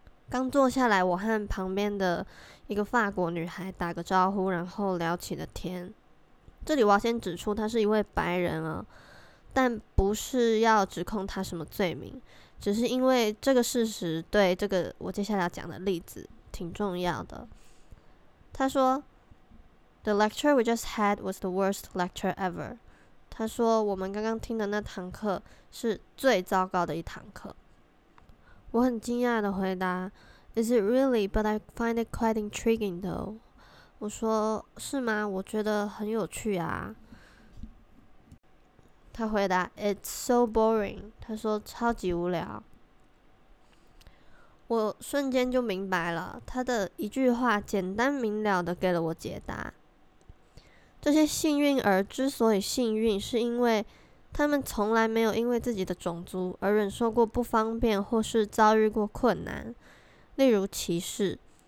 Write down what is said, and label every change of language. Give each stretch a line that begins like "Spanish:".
Chinese: 刚坐下来，我和旁边的一个法国女孩打个招呼，然后聊起了天。这里我要先指出，她是一位白人啊，但不是要指控她什么罪名，只是因为这个事实对这个我接下来要讲的例子挺重要的。她说
English: ：“The lecture we just had was the worst lecture ever。”
Chinese: 她说：“我们刚刚听的那堂课是最糟糕的一堂课。” 我很惊讶的回答
English: ：“Is it really? But I find it quite intriguing, though。”
Chinese: 我说：“是吗？我觉得很有趣啊。” 他回答
English: ：“It's so boring。”
Chinese: 他说：“超级无聊。” 我瞬间就明白了，他的一句话简单明了的给了我解答。这些幸运儿之所以幸运，是因为他们从来没有因为自己的种族而忍受过不方便或是遭遇过困难，例如歧视。